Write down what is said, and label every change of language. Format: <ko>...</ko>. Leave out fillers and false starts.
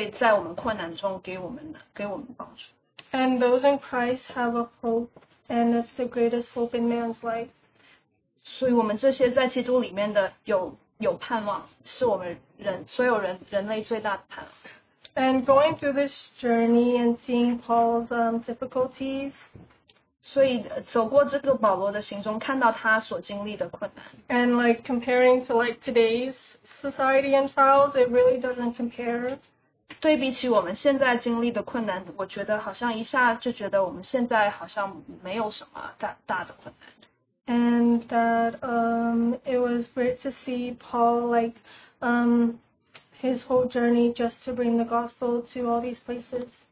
<zh>这个旅程让我学到，尽管说我们会遇到困难，神还是会在我们困难中给我们帮助。</zh> <en>And those in Christ have a hope, and it's the greatest hope in man's life.</en> <zh>所以我们这些在基督里面的有盼望，是我们人所有人类最大的盼望。</zh> <en>And going through this journey and seeing Paul's difficulties,</en> <zh>所以走过这个保罗的行踪，看到他所经历的困难。</zh> <en>And like comparing to like today's society and trials, it really doesn't compare.</en> <zh>对比起我们现在经历的困难，我觉得好像一下就觉得我们现在好像没有什么大的困难。</zh> <en>And that it was great to see Paul like his whole journey just to bring the gospel to all these places.</en>